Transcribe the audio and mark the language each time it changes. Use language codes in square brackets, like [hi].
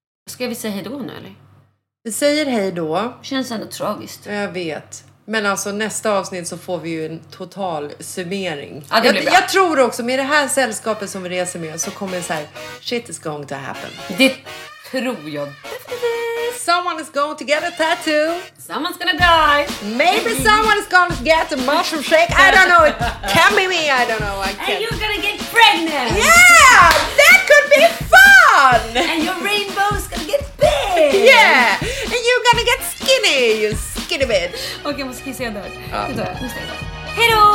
[sv] Ska vi säga hejdå nu eller? Vi säger hejdå. Känns ändå tragiskt. Jag vet. Men alltså nästa avsnitt så får vi ju en total summering. Ja, det blir bra. Jag tror också med det här sällskapet som vi reser med så kommer det så här, [en] shit is going to happen. [sv] Det tror jag. [en] Someone is going to get a tattoo. Someone's gonna die. Maybe someone is going to get a mushroom shake. I don't know. It can be me. I don't know. And you're gonna get pregnant. Yeah, that could be fun. And your rainbow's gonna get big. Yeah, and you're gonna get skinny. You skinny bitch. [sv] Okej, okay, måste kissa igen där. Hejdå.